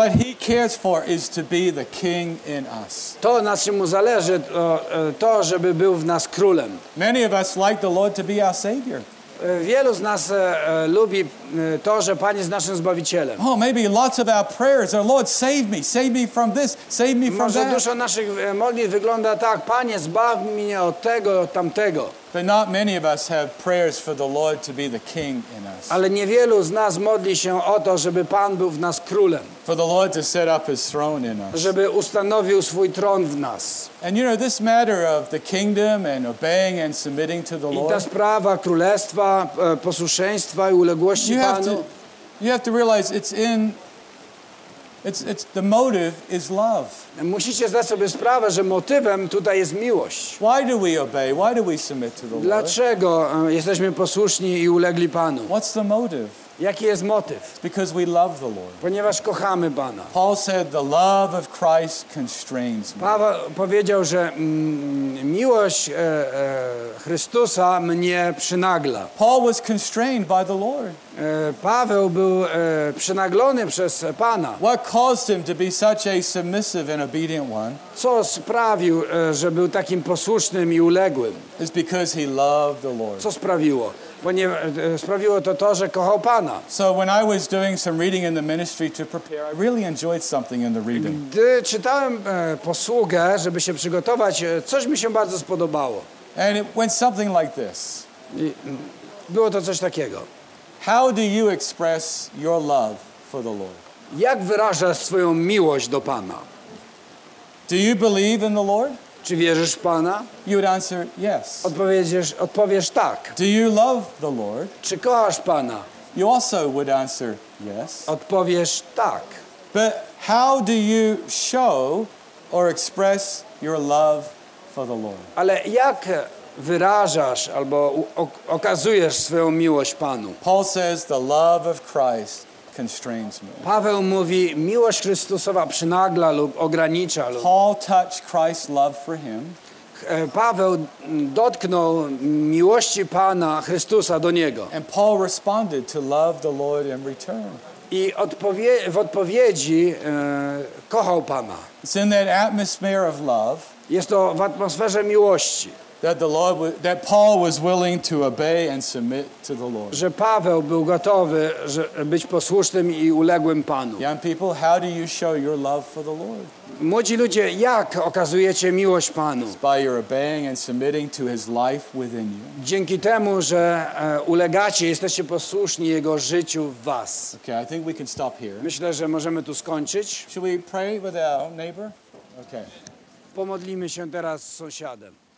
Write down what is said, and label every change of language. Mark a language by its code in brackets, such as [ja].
[en] What he cares for is to be the king in us. [pl] To, na czym mu zależy, to żeby był w nas królem. [en] Many of us like the Lord to be our savior. [pl] Wielu z nas lubi to, że Pan jest naszym zbawicielem. [en] Oh, maybe lots of our prayers are, Lord, save me from this, save me from that. [pl] Może dużo naszych modlitw wygląda tak: Panie, zbaw mnie od tego, od tamtego. [en] But not many of us have prayers for the Lord to be the king in us. [pl] Ale niewielu z nas modli się o to, żeby Pan był w nas królem. [en] For the Lord to set up his throne in us. [pl] Żeby ustanowił swój tron w nas. [en] And you know, this matter of the kingdom and obeying and submitting to the Lord. [pl] I ta sprawa królestwa, posłuszeństwa i uległości Panu. [en] You have to realize it's the motive is love. [pl] Musicie zdać sobie sprawę, że motywem tutaj jest miłość. [en] Why do we obey? Why do we submit to the Lord? [pl] Dlaczego jesteśmy posłuszni i ulegli Panu? [en] What's the motive? [pl] Jaki jest motyw? [en] Because we love the Lord. [pl] Ponieważ kochamy Pana. [en] Paul said the love of Christ constrains me. [pl] Paweł powiedział, że miłość Chrystusa mnie przynagla. [en] Paul was constrained by the Lord. [pl] Paweł był przynaglony przez Pana. [en] What caused him to be such a submissive and obedient one? [pl] Co sprawił, że był takim posłusznym i uległym? [en] It's because he loved the Lord. [pl] Co sprawiło? Sprawiło to to, że kochał Pana. [en] So when I was doing some reading in the ministry to prepare, I really enjoyed something in the reading. [pl] Gdy czytałem posługę, żeby się przygotować, coś mi się bardzo spodobało. [en] And it went something like this. [pl] Było to coś takiego. [en] How do you express your love for the Lord? [pl] Jak wyrażasz swoją miłość do Pana? [en] Do you believe in the Lord? [pl] Czy wierzysz w Pana? [en] You would answer yes. [pl] Odpowiesz tak. [en] Do you love the Lord? [pl] Czy kochasz Pana? [en] You also would answer yes. [pl] Odpowiesz tak. [en] But how do you show or express your love for the Lord? [pl] Ale jak wyrażasz albo okazujesz swoją miłość Panu? [en] Paul says the love of Christ constrains me. [pl] Paweł mówi, miłość Chrystusowa przynagla lub ogranicza. [en] Paul touched Christ's love for him. [pl] Paweł dotknął miłości Pana Chrystusa do niego. [en] And Paul responded to love the Lord in return. [pl] I w odpowiedzi kochał Pana. [en] It's in that atmosphere of love. [pl] Jest to w atmosferze miłości. [en] That Paul was willing to obey and submit to the Lord. [pl] Że Paweł był gotowy, żeby być posłusznym i uległym Panu. [en] Young people, how do you show your love for the Lord? [pl] Młodzi ludzie, jak okazujecie miłość Panu? [en] It's by your obeying and submitting to His life within you. [pl] Dzięki temu, że ulegacie, jesteście posłuszni Jego życiu w was. [en] Okay, I think we can stop here. [pl] Myślę, że możemy tu skończyć. [en] Should we pray with our neighbor? Okay. [pl] Pomodlimy się teraz z sąsiadem.